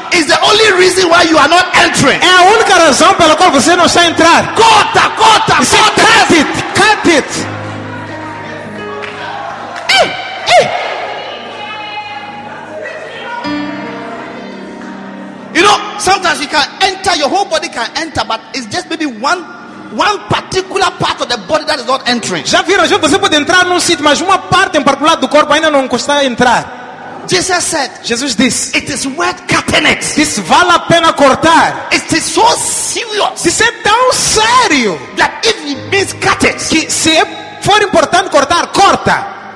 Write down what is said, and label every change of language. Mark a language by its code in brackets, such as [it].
[en] is the only reason why you are not entering. [pt] É a única razão pela qual você não está a entrar. Corta, corta, corta. [en] Cut it, cut it. You know, sometimes you can enter, your whole body can enter, but it's just maybe one one particular part of the body that is not entering. [pt] Já viram? Já você pode entrar num sítio, mas uma parte em particular do corpo ainda não consta entrar. [en] Jesus said, [pt] Jesus disse, [en] it is worth cutting it. [pt] This vale a pena cortar. [en] It is so serious. [pt] Isso é tão sério. [en] That if it means cut it. [pt] Que se for importante cortar, corta.